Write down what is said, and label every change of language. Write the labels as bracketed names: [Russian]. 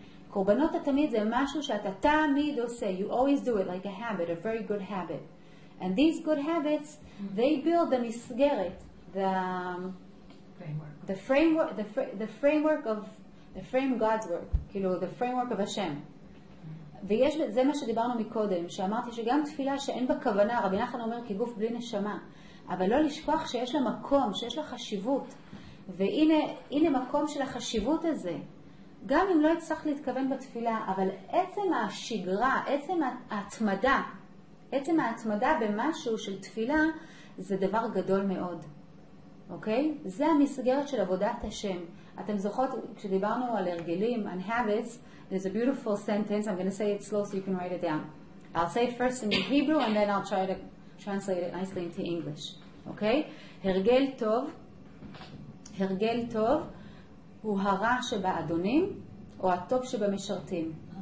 [Hebrew] קורבנות התמיד זה משהו שאתה תמיד עושה. [English] You always do it like a habit, a very good habit. And these good habits, they build the מסגרת, the framework of God's work. כאילו, the framework of Hashem. [Hebrew] ויש, זה מה שדיברנו מקודם, שאמרתי שגם תפילה שאין בה כוונה, רבי נחמן אומר, כגוף בלי נשמה. אבל לא לשכוח שיש לה מקום, שיש לה חשיבות. והנה מקום של החשיבות הזה. גם אם לא הצלח להתכוון בתפילה, אבל עצם השגרה, עצם ההתמדה, עצם ההתמדה במשהו של תפילה, זה דבר גדול מאוד. אוקיי? זה המסגרת של עבודת השם. אתם זוכרות, כשדיברנו על הרגלים, [English] on habits, there's a beautiful sentence, I'm going to say it slow so you can write it down. I'll say it first in Hebrew, and then I'll try to translate it nicely into English. [Hebrew] אוקיי? הרגל טוב, הרגל טוב, הוא הרע שבאדונים או הטוב שבמשרתים.